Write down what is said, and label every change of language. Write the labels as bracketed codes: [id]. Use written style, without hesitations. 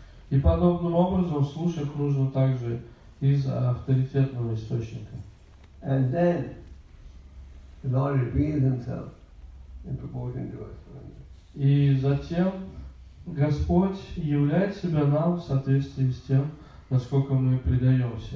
[ru] И подобным образом в случаях нужно также из авторитетного источника. [en] And then the Lord reveals himself in proportion to us. [ru] И затем Господь являет себя нам в соответствии с тем, насколько мы предаемся